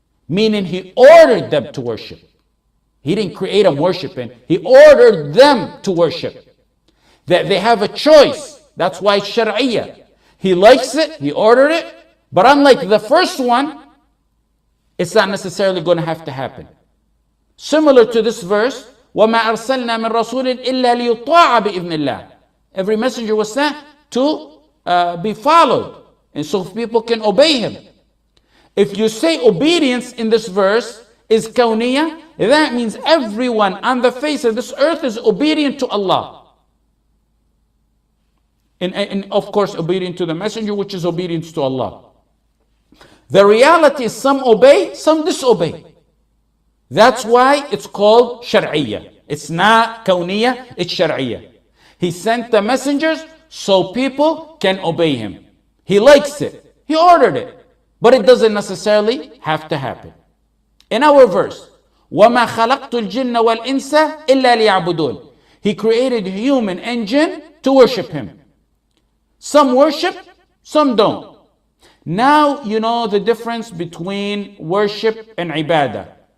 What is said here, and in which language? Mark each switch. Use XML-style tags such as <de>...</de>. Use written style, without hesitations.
<en>Meaning He ordered them to worship. He didn't create them worshiping. He ordered them to worship. That they have a choice. That's why it's شرعية. He likes it. He ordered it. But unlike the first one, it's not necessarily going to have to happen. Similar to this verse,</en> <ar>وَمَا أَرْسَلْنَا مِنْ رَسُولٍ إِلَّا لِيُطَاعَ بِإِذْنِ اللَّهِ.</ar> <en>Every messenger was sent to be followed. And so people can obey him. If you say obedience in this verse is kawniya, that means everyone on the face of this earth is obedient to Allah. And of course, obedient to the messenger, which is obedience to Allah. The reality is some obey, some disobey. That's why it's called shar'iyya. It's not kawniya, it's shar'iyya. He sent the messengers so people can obey him. He likes it. He ordered it. But it doesn't necessarily have to happen. In our verse,</en> <ar>وَمَا خَلَقْتُ الْجِنَّ وَالْإِنسَ إِلَّا لِيَعْبُدُونَ.</ar> <en>He created human and jinn to worship him. Some worship, some don't. Now you know the difference between worship and ibadah.</en>